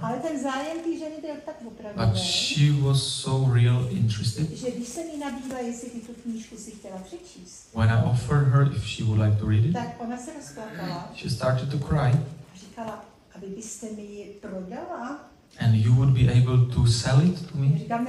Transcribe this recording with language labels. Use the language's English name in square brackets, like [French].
[Czech] Ale ten zájem té ženy byl tak opravdu. [English] But she was so real interested. [Czech] Že když se mi nabídla, jestli tu knížku si chtěla přečíst. [English] When I offered her if she would like to read it. [Czech] Tak ona se rozplakala. [English] She started to cry. [Czech] Říkala, aby byste mi ji prodala. [English] And you would be able to sell it to me?